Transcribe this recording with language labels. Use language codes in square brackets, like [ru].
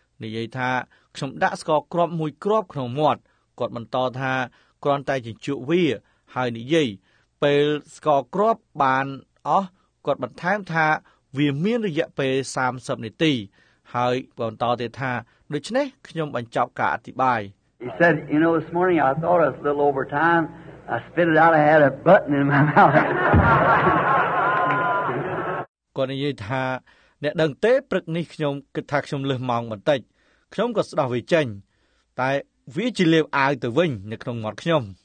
[km] និយាយថាខ្ញុំដាក់ស្ករគ្រាប់មួយគ្រាប់ក្នុងមាត់គាត់បន្តថាគ្រាន់តែជញ្ជក់វាហើយនិយាយពេលស្ករគ្រាប់បានអស់គាត់បន្ថែមថាវាមានរយៈពេល30នាទីហើយបន្តទៀតថាដូច្នេះខ្ញុំបញ្ចប់ការអធិប្បាយ [en] He said you know this morning I thought I was a little over time I spit it out I had a button in my mouth [km] គាត់និយាយថាអ្នកដឹងទេព្រឹកនេះខ្ញុំគិតថាខ្ញុំលឹះម៉ោងបន្តិចខ្ញុំក៏ស្ដោះវាចេញតែវាជាលៀបអាវទៅវិញនៅក្នុងមាត់ខ្ញុំ